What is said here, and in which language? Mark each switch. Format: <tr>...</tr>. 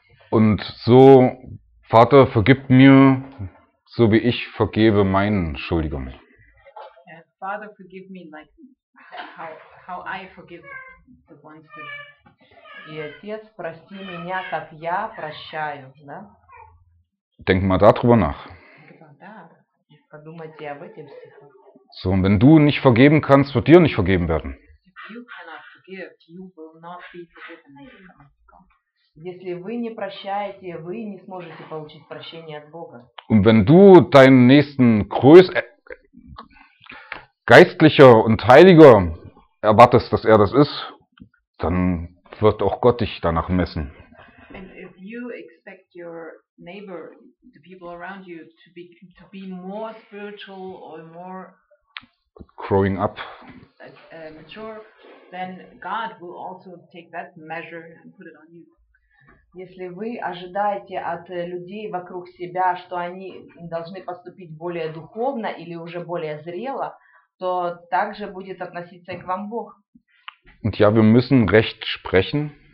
<de>Und so, Vater, vergib mir, so wie ich vergebe meinen Schuldigen.</de> <en>Father, forgive me, like how I forgive the ones that...</en> <ru>И отец, прости меня, как я прощаю, да?</ru> <de>Denk mal darüber nach.</de> <ru>Да, подумайте об этом стихе.</ru> <de>So, wenn du nicht vergeben kannst, wird dir nicht vergeben werden.</de> <en>If you cannot forgive, you will not be forgiven.</en> <ru>Если вы не прощаете, вы не сможете получить прощение от Бога.</ru> <de>Und wenn du deinen nächsten größ geistlicher und heiliger erwartest, dass er das ist, dann wird auch Gott dich danach messen.</de> <en>And if you expect your neighbor, the people around you to be more spiritual or more growing up, mature, then God will also take that measure and put it on you.</en> <ru>Если вы ожидаете от людей вокруг себя, что они должны поступить более духовно или уже более зрело, то также будет относиться и к вам Бог.</ru> <de>Und ja, wir müssen recht sprechen.</de>